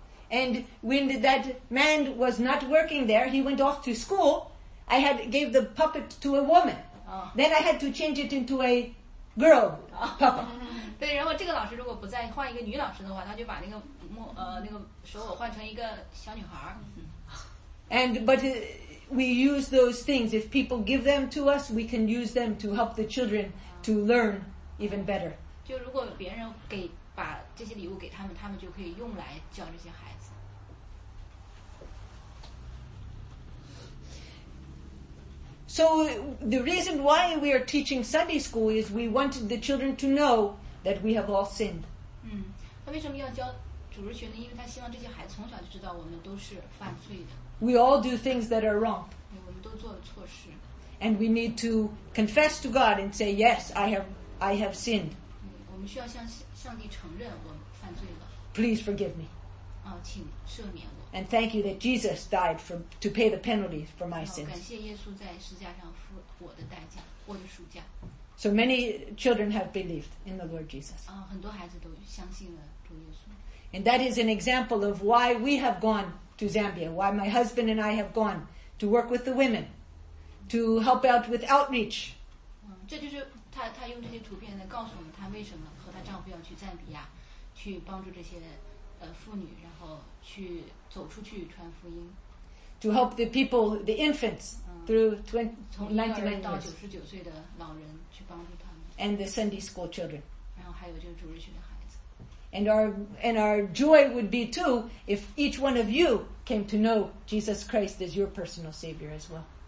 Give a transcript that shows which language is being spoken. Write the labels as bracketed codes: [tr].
[en] And when that man was not working there, he went off to school. I had gave the puppet to a woman. Then I had to change it into a girl puppet. [zh] 对，然后这个老师如果不再换一个女老师的话，他就把那个手偶换成一个小女孩。 [en] But we use those things. If people give them to us, we can use them to help the children to learn even better. [zh] 就如果别人给把这些礼物给他们，他们就可以用来教这些孩子。 [en] So the reason why we are teaching Sunday school is we want the children to know that we have all sinned. [zh] 他为什么要教主日学呢？因为他希望这些孩子从小就知道我们都是犯罪的。 [en] We all do things that are wrong. [zh] 我们都做了错事。 [en] And we need to confess to God and say, "Yes, I have sinned." [zh] 我们需要向帝承认我犯罪了。 [en] Please forgive me. [zh] 请赦免我。 [en] And thank you that Jesus died to pay the penalty for my sins. [zh] 感谢耶稣在十字架上付我的代价，我的赎价。 [en] So many children have believed in the Lord Jesus. [zh] 很多孩子都相信了主耶稣。 [en] And that is an example of why we have gone to Zambia, why my husband and I have gone to work with the women, to help out with outreach. [zh] 这就是他用这些图片来告诉我们他为什么和他丈夫要去赞比亚，去帮助这些妇女，然后去走出去传福音。 [en] To help the people, the infants through 1999 [zh] 到九十九岁的老人去帮助他们。 [en] And the Sunday school children. [zh] 然后还有就是主日学的孩子。 [en] And our joy would be too if each one of you came to know Jesus Christ as your personal Savior as well.